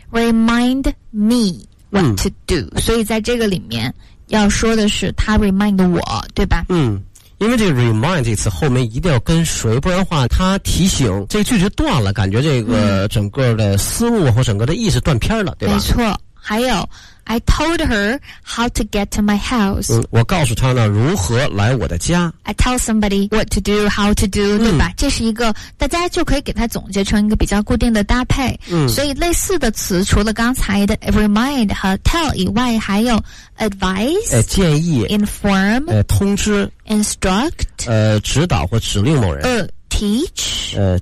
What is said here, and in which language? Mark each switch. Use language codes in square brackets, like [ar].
[en] Remind me what to do。 [zh] 所以在这个里面要说的是她 remind 我对吧，因为这个 remind 这次后面一定要跟谁，不然的话他提醒这句就断了，感觉这个整个的思路或整个的意识断片了，对吧？没错。还有 [en] I told her how to get to my house. [zh] 嗯，我告诉她呢，如何来我的家。 [en] I tell somebody what to do, how to do,、嗯、 [zh] 对吧？这是一个，大家就可以给它总结成一个比较固定的搭配。嗯，所以类似的词除了刚才的 remind 和 tell 以外，还有 advise、建议 [en] inform、 [zh] 通知 [en] instruct、 [zh] 指导或指令某人、 [en] teach、